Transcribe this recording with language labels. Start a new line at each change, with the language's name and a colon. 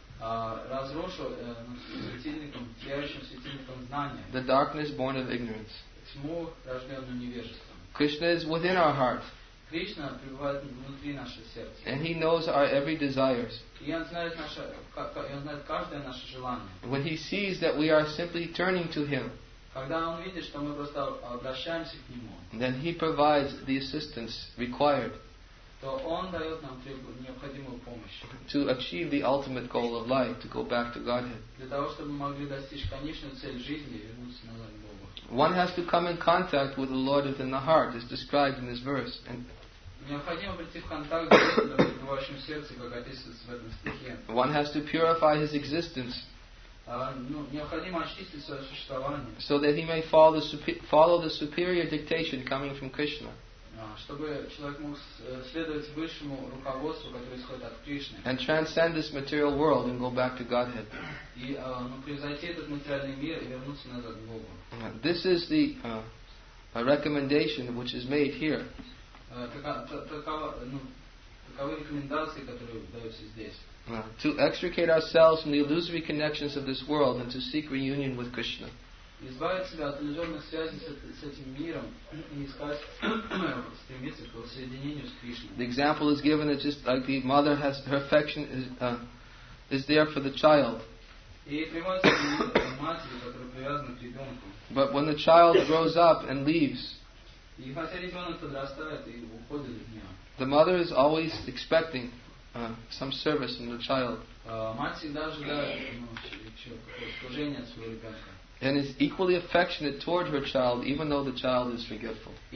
Russian: разрушу светильником, сияющим светильником знания.
English: The darkness born of ignorance.
Russian: Тьму, рожденную невежеством.
English: Krishna is within our heart.
Russian: Кришна пребывает внутри нашего сердца.
English: And he knows our every desires.
Russian: И он знает наше, он знает каждое наше желание.
English: When he sees that we are simply turning to him.
Russian: Когда он видит, что мы просто обращаемся к нему.
English: Then he provides the assistance required.
Russian: То он дает нам необходимую помощь.
English: To achieve the ultimate goal of life, to go back to Godhead.
Russian: Для того, чтобы мы могли достичь конечной цели жизни, вернуться назад к Богу.
English: One has to come in contact with the Lord within the heart, as described in this verse. And
Russian: необходимо прийти в контакт с Богом, пребывающим в сердце, как описывается в этом стихе.
English: One has to purify his existence.
Russian: Необходимо очистить свое существование.
English: So that he may follow the superior dictation coming from Krishna.
Russian: Чтобы человек мог следовать высшему руководству, которое исходит от Кришны.
English: And transcend this material world and go back to Godhead.
Russian: И превзойти этот материальный мир и вернуться назад к Богу.
English: This is the a recommendation which is made here.
Russian: Таковы рекомендации, которые даются здесь.
English: To extricate ourselves from the illusory connections of this world and to seek reunion with Krishna.
Russian: Избавить себя от иллюзорных связей с этим миром и искать стремиться к воссоединению с Кришной.
English: The example is given that just like the mother has her affection is there for the child.
Russian: И приводится мать, которая привязана к ребенку.
English: But when the child grows up and leaves,
Russian: и хотя ребенок подрастает и уходит от нее,
English: the mother is always expecting some service from the child.
Russian: Мать всегда ожидает какое-то служение от своего ребенка.
English: And is equally affectionate toward her child, even though the child is forgetful.